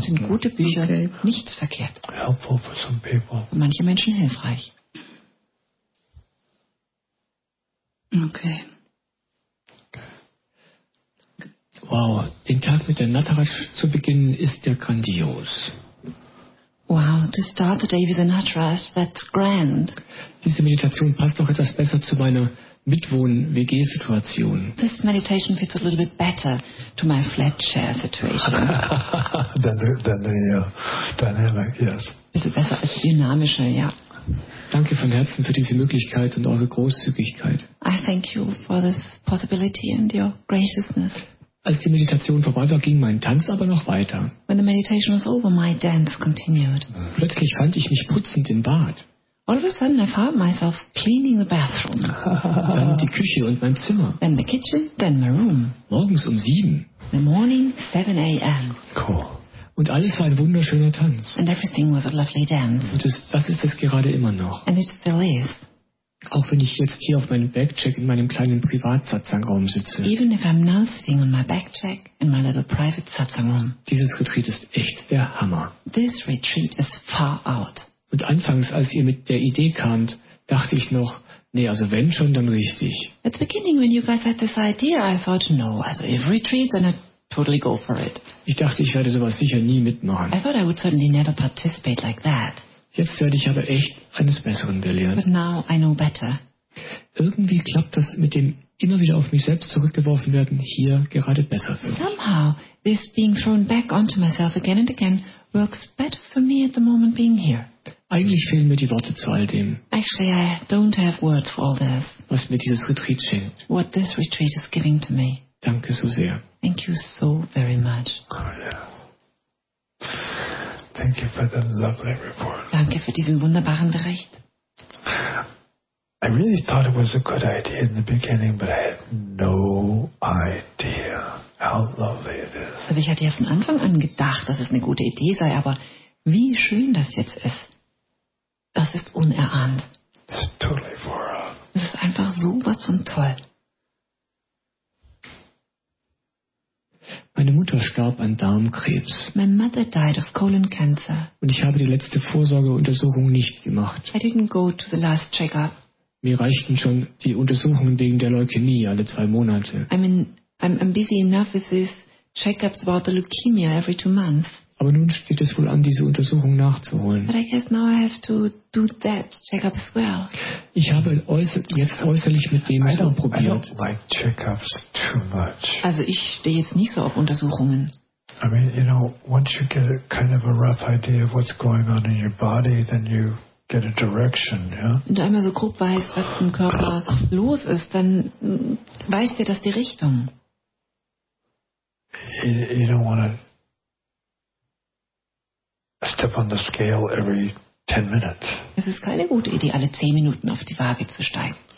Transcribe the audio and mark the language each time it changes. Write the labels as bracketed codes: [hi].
[de] Sind gute Bücher, okay. Nichts verkehrt. [en] Helpful for some people. [de] Manche Menschen hilfreich. Okay. Wow, den Tag mit der Nataraj zu beginnen ist ja grandios. [en] Wow, to start the day with a Nataraj, that's grand. [de] Diese Meditation passt doch etwas besser zu meiner Mitwohn-WG-Situation. [en] This meditation fits a little bit better to my flat share situation. dynamic, yes. [de] Ist es besser als dynamischer, ja. Danke von Herzen für diese Möglichkeit und eure Großzügigkeit. [en] I thank you for this possibility and your graciousness. [de] Als die Meditation vorbei war, ging mein Tanz aber noch weiter. [en] When the meditation was over, my dance continued. [de] Plötzlich fand ich mich putzend im Bad. [en] All of a sudden I found myself cleaning the bathroom. [de] Dann die Küche und mein Zimmer. [en] Then the kitchen, then my room. [de] Morgens um 7. [en] The morning, 7 a.m. Cool. [de] Und alles war ein wunderschöner Tanz. [en] And everything was a lovely dance. [de] Und das ist es gerade immer noch. [en] And it still is. [de] Auch wenn ich jetzt hier auf meinem Backcheck in meinem kleinen Privat-Satsang-Raum sitze. [en] Even if I'm now sitting on my backcheck in my little private Satsang-Raum. [de] Dieses Retreat ist echt der Hammer. [en] This retreat is far out. [de] Und anfangs, als ihr mit der Idee kamt, dachte ich noch, nee, also wenn schon, dann richtig. [en] At the beginning, when you guys had this idea, I thought, no, also if retreat, then I totally go for it. [de] Ich dachte, ich werde sowas sicher nie mitmachen. [en] I thought I would certainly never participate like that. [de] Jetzt werde ich aber echt eines Besseren belehrt. [en] But now I know better. [de] Irgendwie klappt das mit dem immer wieder auf mich selbst zurückgeworfen werden hier gerade besser. [en] Somehow this being thrown back onto myself again and again works better for me at the moment being here. [de] Eigentlich fehlen mir die Worte zu all dem. [en] Actually, I don't have words for all this. [de] Was mir dieses Retreat schenkt. [en] What this retreat is giving to me. [de] Danke so sehr. [en] Thank you so very much. Thank you for the lovely report. [de] Danke für diesen wunderbaren Bericht. [en] I really thought it was a good idea in the beginning, but I had no idea how lovely it is. [de] Also ich hatte ja von Anfang an gedacht, dass es eine gute Idee sei, aber wie schön das jetzt ist, das ist unerahnt. [en] It's totally far off. [de] Es ist einfach so was von toll. Meine Mutter starb an Darmkrebs. [en] My mother died of colon cancer. [de] Und ich habe die letzte Vorsorgeuntersuchung nicht gemacht. [en] I didn't go to the last checkup. [de] Mir reichten schon die Untersuchungen wegen der Leukämie alle 2 Monate. [en] I'm busy enough with this checkups about the leukemia every 2 months. [de] Aber nun steht es wohl an, diese Untersuchung nachzuholen. [en] But I guess now I have to do that checkup as well. [de] Ich habe jetzt äußerlich mit dem auch probiert. [en] I don't like checkups too much. [de] Also ich stehe jetzt nicht so auf Untersuchungen. [en] I mean, you know, once you get kind of a rough idea of what's going on in your body, then you get a direction, yeah? [de] Wenn du einmal so grob weißt, was im Körper los ist, dann weißt du, dass die Richtung. [en] You don't want to step on the scale every 10 minutes. [de] Es ist keine gute Idee, alle 10 Minuten auf die Waage zu steigen.